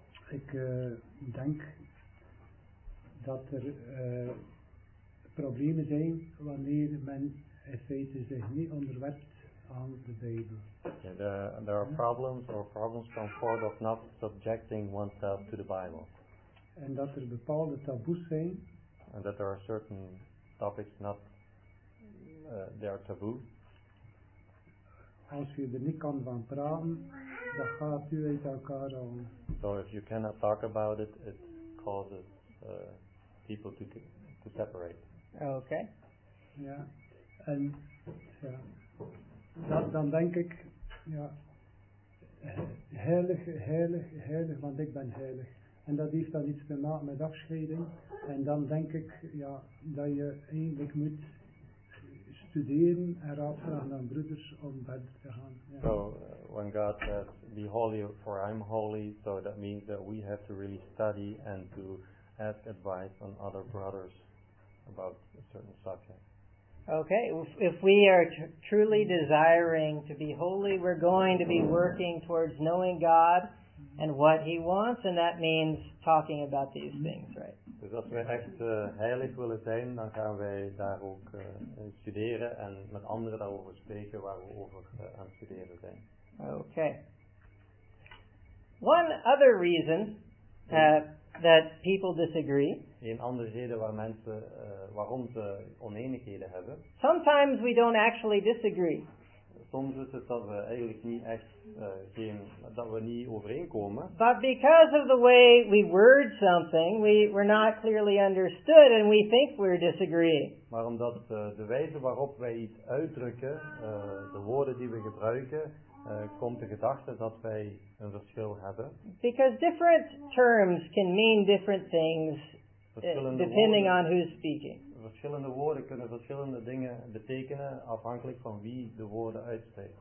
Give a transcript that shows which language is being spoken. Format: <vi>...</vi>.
<nl>Ik denk dat er problemen zijn wanneer men in feite zich niet onderwerpt aan de Bijbel.</nl> <en>Okay, there are problems or problems come forth of not subjecting oneself to the Bible.</en> <nl>En dat er bepaalde taboes zijn.</nl> <en>And that there are certain topics not they are taboo.</en> <nl>Als je er niet kan van praten, dan gaat u uit elkaar om.</nl> <en>So if you cannot talk about it, it causes people to separate. Okay.</en> <nl>Ja. En ja. Dat, dan denk ik, ja, heilig, heilig, heilig, want ik ben heilig. En dat heeft dan iets te maken met afscheiding. En dan denk ik, ja, dat je eigenlijk moet studeren en raadvragen aan broeders om verder te gaan. Ja.</nl> <en>So, when God says, be holy, for I'm holy, so that means that we have to really study and to ask advice on other brothers about a certain subject. Okay, if we are truly desiring to be holy, we're going to be working towards knowing God and what He wants, and that means talking about these things, right?</en> <nl>Dus als we echt heilig willen zijn, dan gaan wij daar ook studeren en met anderen daarover spreken waar we over aan het studeren zijn.</nl> <en>Okay. One other reason that people disagree.</en> <nl>Een andere reden waar mensen waarom ze oneenigheden hebben.</nl> <en>Sometimes we don't actually disagree.</en> <nl>Soms is het dat we eigenlijk niet echt dat we niet overeenkomen.</nl> <en>But because of the way we word something, we're not clearly understood and we think we're disagreeing.</en> <nl>Maar omdat de wijze waarop wij iets uitdrukken, de woorden die we gebruiken, komt de gedachte dat wij een verschil hebben.</nl> <en>Because different terms can mean different things depending</en> <nl>woorden,</nl> <en>on who's speaking.</en> <nl>Verschillende woorden kunnen verschillende dingen betekenen afhankelijk van wie de woorden uitspreekt.</nl>